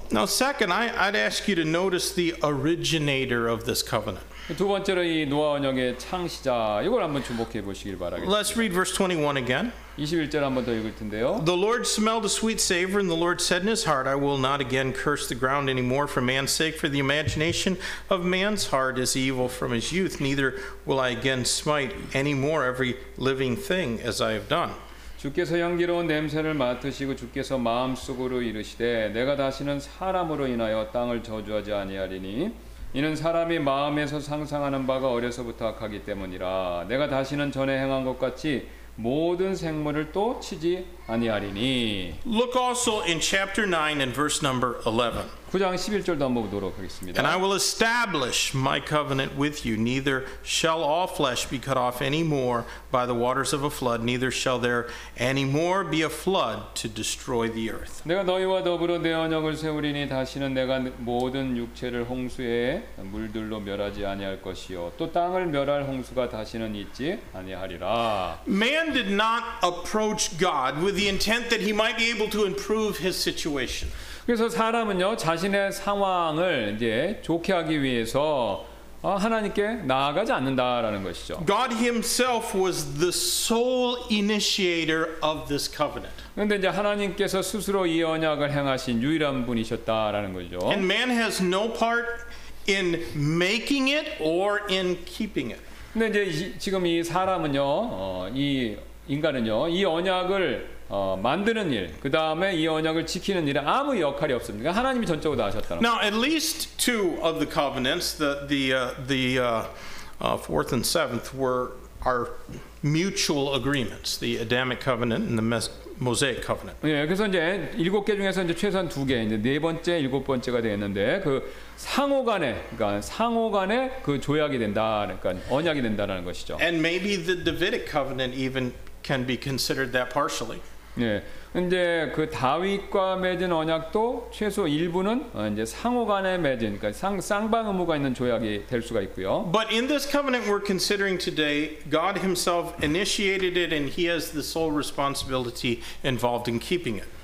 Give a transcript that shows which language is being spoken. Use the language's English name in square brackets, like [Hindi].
[English] Now, second, I'd ask you to notice the originator of this covenant. [Korean] 두 번째로 이 노아 언약의 창시자 이걸 한번 주목해 보시길 바라겠습니다. [English] Let's read verse 21 again. [Korean] 21절 한번 더 읽을 텐데요. [English] The Lord smelled a sweet savor, and the Lord said in his heart, I will not again curse the ground anymore for man's sake, for the imagination of man's heart is evil from his youth. Neither will I again smite any more every living thing as I have done. [Korean] 주께서 향기로운 냄새를 맡으시고 주께서 마음속으로 이르시되 내가 다시는 사람으로 인하여 땅을 저주하지 아니하리니 이는 사람이 마음에서 상상하는 바가 어려서부터 악하기 때문이라 내가 다시는 전에 행한 것 같이 모든 생물을 또 치지 아니하리니 [English] Look also in chapter 9 and verse number 11. [Korean] 9장 11절도 한번 보도록 하겠습니다. [English] And I will establish my covenant with you neither shall all flesh be cut off any more by the waters of a flood neither shall there any more be a flood to destroy the earth. [Korean] 내가 너희와 더불어 내 언약을 세우리니 다시는 내가 모든 육체를 홍수의 물들로 멸하지 아니할 것이요 또 땅을 멸할 홍수가 다시는 있지 아니하리라. [English] Man did not approach God with the intent that he might be able to improve his situation. [Korean] 그래서 사람은요 자신의 상황을 이제 좋게 하기 위해서 하나님께 나아가지 않는다라는 것이죠. [English] God himself was the sole initiator of this covenant. [Korean] 그런데 이제 하나님께서 스스로 이 언약을 행하신 유일한 분이셨다라는 거죠. [English] And man has no part in making it or in keeping it. [Korean] 근데 이제 지금 이 사람은요 이 인간은요 이 언약을 만드는 일, 그 다음에 이 언약을 지키는 일에 아무 역할이 없습니다. 하나님이 전적으로 다 하셨다. [English] Now at least two of the covenants, the fourth and seventh, are mutual agreements. The Adamic covenant and the Mosaic covenant. [Korean] 예, 그래서 이제 일곱 개 중에서 이제 최소한 두 개, 이제 네 번째, 일곱 번째가 되었는데 그 상호간에, 그러니까 상호간에 그 조약이 된다, 그러니까 언약이 된다라는 것이죠. [English] And maybe the Davidic covenant even. Can be considered that partially. [Korean] 예, 이제 그 다윗과 맺은 언약도 최소 일부는 이제 상호간에 맺은, 그러니까 쌍방 의무가 있는 조약이 될 수가 있고요. [English] But in this covenant we're considering today, God Himself initiated it, and He has the sole responsibility involved in keeping it.